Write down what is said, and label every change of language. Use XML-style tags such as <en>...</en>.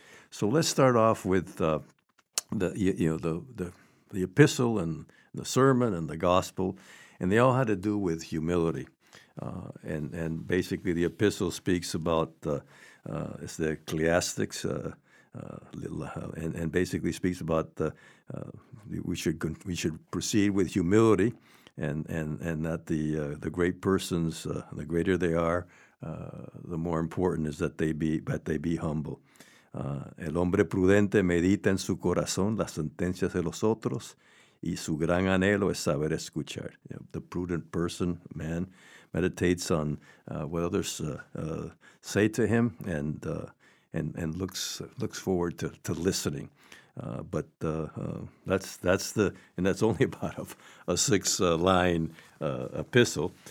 <en>So let's start off with the epistle and the sermon and the gospel, and they all had to do with humility, and basically the epistle speaks about it's the Ecclesiastics, and basically speaks about we should proceed with humility, and that the great persons, the greater they are, the more important is that they be humble.</en> <es>El hombre prudente medita en su corazón las sentencias de los otros, y su gran anhelo es saber escuchar.</es> <en>You know, the prudent person, man, meditates on what others say to him, and looks forward to listening. But that's only about a six line epistle.</en>